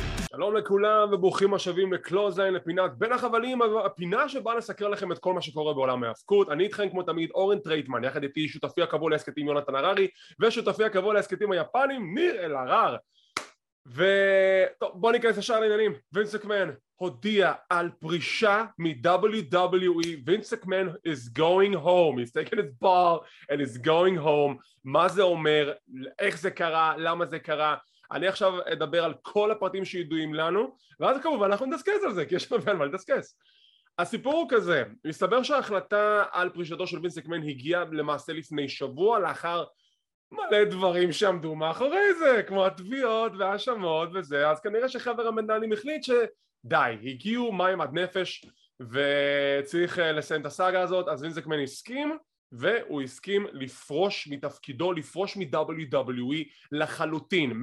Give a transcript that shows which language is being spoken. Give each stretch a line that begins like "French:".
Hebrew: שלום לכולם וברוכים השבים לקלוזליין, לפינת בין החבלים, הפינה שבאה לסקר לכם את כל מה שקורה בעולם ההיאבקות. אני איתכם כמו תמיד אורן טרייטמן, יחד איתי שותפי הקבוע להסקטים יונתן הררי, ושותפי הקבוע להסקטים היפנים ניר אלהרר. וטוב, בוא ניכנס ישר לעניינים. וינס מקמהון הודיע על פרישה מ-WWE.
English: וינס מקמהון is going home, he's taking his bar and is going home.
Hebrew: מה זה אומר, איך זה קרה, למה זה קרה, אני עכשיו אדבר על כל הפרטים שידועים לנו, ואז כמובן אנחנו נדסקס על זה, כי יש לנו על מה לדסקס. הסיפור הוא כזה, מסתבר שההחלטה על פרישתו של וינס מקמהון הגיעה למעשה לפני שבוע, לאחר מלא דברים שעמדו מאחורי זה, כמו התביעות והאשמות וזה, אז כנראה שחבר המנהלים החליט שדי, הגיעו מים עד נפש, וצריך לסיים את הסאגה הזאת, אז וינס מקמהון הסכים, והוא הסכים לפרוש מתפקידו, לפרוש מ-WWE לחלוטין.